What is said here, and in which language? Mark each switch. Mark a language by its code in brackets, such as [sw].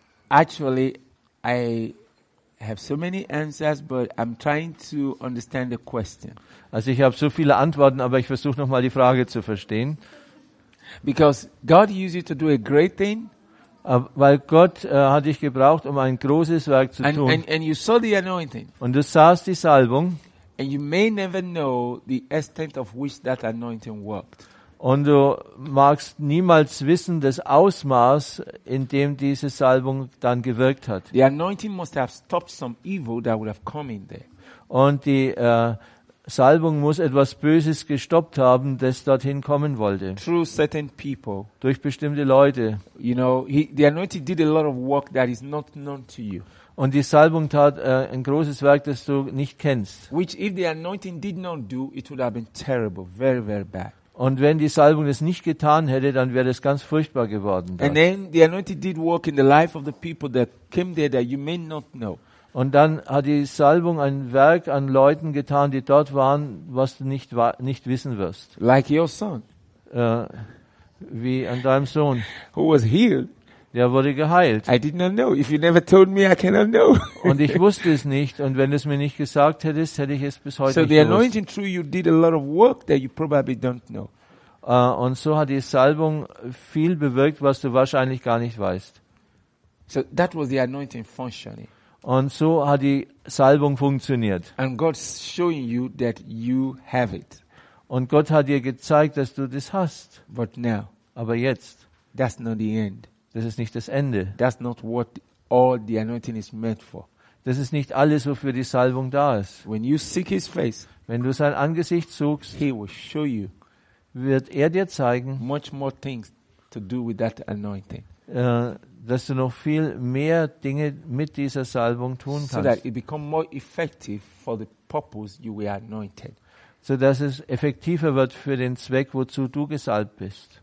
[en] Actually, I have so many answers, but I'm trying to understand the question. [de] Also, ich habe so viele Antworten, aber ich versuche noch mal die Frage zu verstehen. [en] Because God used you to do a great thing. [de] Weil Gott hat dich gebraucht, um ein großes Werk zu tun. [en] And you saw the anointing. [de] Und du sahst die Salbung. [en] And you may never know the extent of which that anointing worked. [de] Und du magst niemals wissen das Ausmaß, in dem diese Salbung dann gewirkt hat. [en] The anointing must have stopped some evil that would have come in there. [de] Und die Salbung muss etwas Böses gestoppt haben, das dorthin kommen wollte. [en] Through certain people. [de] Durch bestimmte Leute. [en] You know, the anointing did a lot of work that is not known to you. [de] Und die Salbung tat ein großes Werk, das du nicht kennst. [en] Which if the anointing did not do, it would have been terrible, very, very bad. [de] Und wenn die Salbung das nicht getan hätte, dann wäre es ganz furchtbar geworden. [en] And then the anointing did work in the life of the people that came there that you may not know. [de] Und dann hat die Salbung ein Werk an Leuten getan, die dort waren, was du nicht wissen wirst. [en] Like your son. [de] Wie an deinem Sohn. [en] Who was healed. [de] Der wurde geheilt. [en] I did not know. If you never told me, I cannot know. [de] Und ich wusste es nicht. Und wenn du es mir nicht gesagt hättest, hätte ich es bis heute so nicht [en] the anointing through you did a lot of work that you probably don't know. [de] Und so hat die Salbung viel bewirkt, was du wahrscheinlich gar nicht weißt. [en] So that was the anointing functioning. [de] Und so hat die Salbung funktioniert. [en] And God's showing you that you have it. [de] Und Gott hat dir gezeigt, dass du das hast. [en] But now. [de] Aber jetzt. [en] That's not the end. [de] Das ist nicht das Ende. [en] That's not what all the anointing is meant for. [de] Das ist nicht alles, wofür die Salbung da ist. [en] When you seek his face, [de] wenn du sein Angesicht suchst, [en] he will show you, [de] wird er dir zeigen, [en] much more things to do with that anointing, [de] dass du noch viel mehr Dinge mit dieser Salbung tun kannst. [en] So that it become more effective for the purpose you were anointed. [de] So dass es effektiver wird für den Zweck, wozu du gesalbt bist.